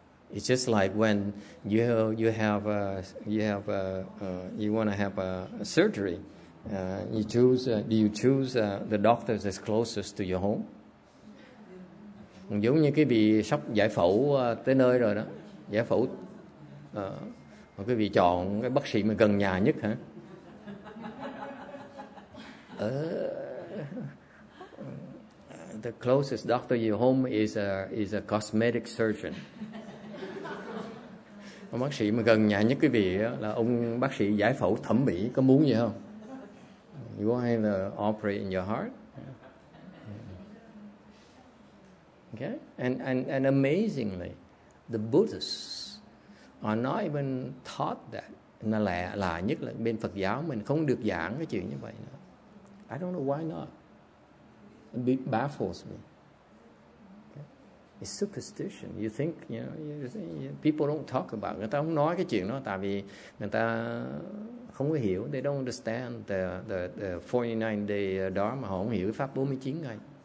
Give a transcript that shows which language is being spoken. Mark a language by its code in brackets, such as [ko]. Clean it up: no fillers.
[en] It's just like when you want to have a surgery. Do you choose the doctor that's closest to your home? [vi] Giống như cái bị sắp giải phẫu tới nơi rồi đó, giải phẫu, cái bị chọn cái bác sĩ mà gần nhà nhất hả? [en] The closest doctor to your home is a cosmetic surgeon. [vi] Ông bác sĩ mà gần nhà nhất quý vị là ông bác sĩ giải phẫu thẩm mỹ, có muốn gì không? [en] You want him to operate in your heart? Okay? And amazingly, the Buddhists are not even taught that. [vi] Nó lạ nhất là bên Phật giáo mình không được giảng cái chuyện như vậy nữa. [en] I don't know why not. It baffles me. Okay? It's superstition. You think, people don't talk about it. [vi] Người ta không nói cái chuyện đó tại vì người ta không có hiểu, [en] they don't understand the 49 day Dharma, [vi] họ không hiểu pháp 49 ngày.